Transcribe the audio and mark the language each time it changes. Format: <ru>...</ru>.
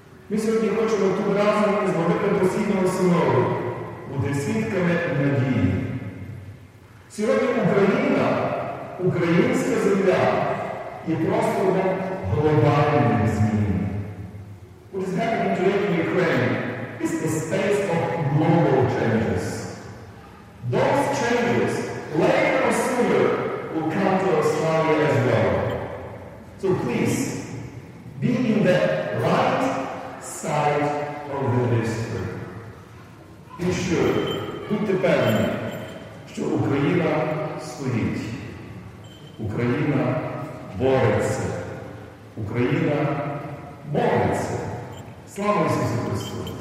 <uk>Ми сьогодні хочемо тут разом із Великим Постійним Синодом бути свідками надії. Сьогодні Україна, українська земля, є простором глобальних змін.</uk> <en>What is happening today in Ukraine is the space of global changes. Those changes, later or sooner, will come to Australia as well. So please, be in the right side of the history. Be sure,</en> <uk>будьте певні, що Україна стоїть. Україна бореться. Україна бореться. Слава Ісусу Христу!</uk>